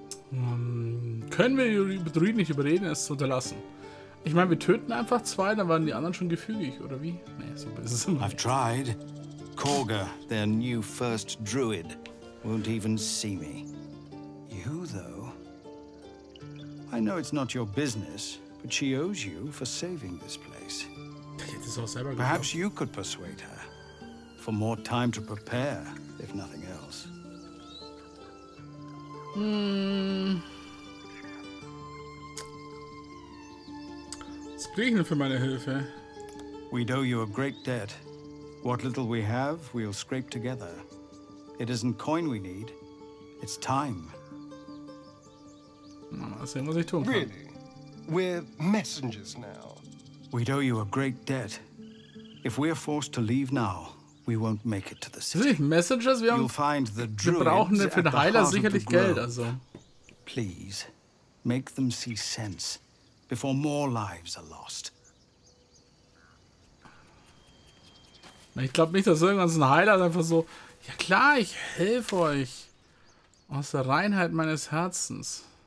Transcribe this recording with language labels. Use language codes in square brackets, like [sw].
[de] Können wir die Druiden nicht überreden, es zu unterlassen? Ich meine, wir töten einfach zwei, dann waren die anderen schon gefügig, oder wie? Nee, so ist es immer. [en] I've tried. Corga, their new first druid, won't even see me. You, though. I know it's not your business, but she owes you for saving this place. [de] Ich hätte es auch selber gemacht. [en] Perhaps you could persuade her. For more time to prepare, if nothing else. [de] Was kriege ich denn für meine Hilfe? [en] We owe you a great debt. What little we have, we'll scrape together. It isn't coin we need, it's time. [de] Mal sehen, was ich tun kann. [en] Really? We're messengers now. We owe you a great debt. If we're forced to leave now, we won't make it to the city. [de] Messengers, wir haben. Wir brauchen für den Heiler sicherlich Geld, also. [en] Please, make them see sense, before more lives are lost. [de] Ich glaube nicht, dass irgendwann so ein Heiler einfach so. Ja klar, ich helfe euch aus der Reinheit meines Herzens.